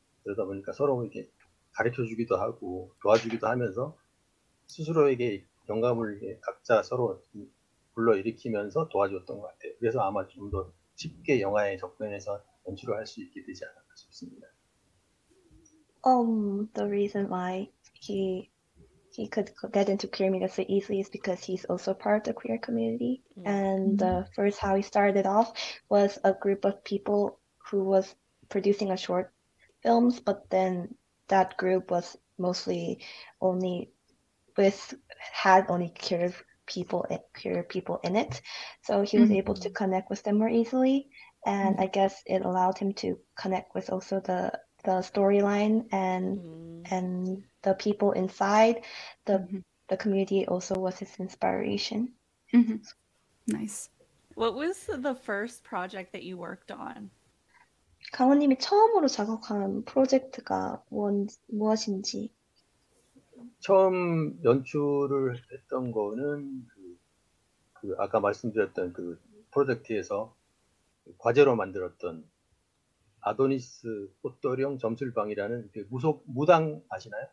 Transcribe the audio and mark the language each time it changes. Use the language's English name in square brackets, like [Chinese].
[Korean] 그러다 보니까 서로 이렇게 가르쳐 주기도 하고 도와주기도 하면서 스스로에게 영감을 각자 서로 불러일으키면서 도와줬던 것 같아요. 그래서 아마 좀더 쉽게 영화에 접근해서 연출을 할수 있게 되지 않을까 싶습니다. [English] The reason why he could get into queer media so easily is because he's also part of the queer community. And the first how he started off was a group of people who was producing a short films, but then that group was mostly only with had only queer people in it. So he was able to connect with them more easily. And I guess it allowed him to connect with also the storyline and the people inside the community also was his inspiration. Nice. What was the first project that you worked on? [Korean] 강원님이 처음으로 작업한 프로젝트가 무엇인지. 처음 연출을 했던 거는 그 아까 말씀드렸던 그 프로젝트에서 과제로 만들었던 아도니스 꽃도령 점술방이라는 그 무당 아시나요?